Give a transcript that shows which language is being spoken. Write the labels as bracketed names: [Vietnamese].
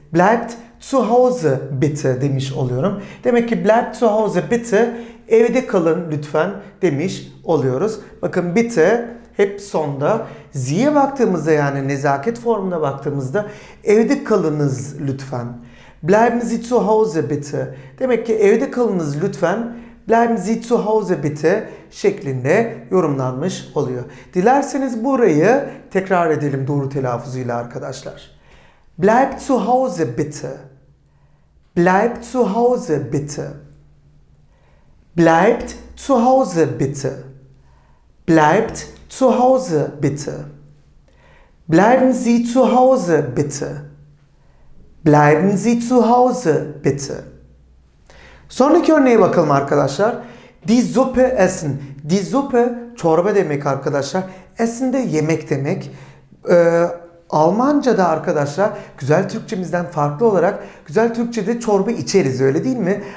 [German] Bleibt zu Hause bitte [Turkish] demiş oluyorum. Demek ki [German] bleibt zu Hause bitte [Turkish] evde kalın lütfen demiş oluyoruz. Bakın bitte hep sonda. Z'ye baktığımızda yani nezaket formuna baktığımızda evde kalınız lütfen. [German] Bleiben Sie zu Hause bitte. [Turkish] Demek ki evde kalınız lütfen. [German] Bleiben Sie zu Hause bitte [Turkish] şeklinde yorumlanmış oluyor. Dilerseniz burayı tekrar edelim doğru telaffuzuyla arkadaşlar. [German] Bleib zu Hause bitte. Bleib zu Hause bitte. Bleibt zu Hause bitte. Bleibt zu Hause bitte. Bleiben Sie zu Hause bitte. Bleiben Sie zu Hause bitte. [Turkish] Sonraki örneğe bakalım arkadaşlar. [German] Die Suppe essen. [Turkish] Die Suppe çorba demek arkadaşlar. Essen de yemek demek. Almanca'da arkadaşlar güzel Türkçemizden farklı olarak güzel Türkçe'de çorba içeriz öyle değil mi?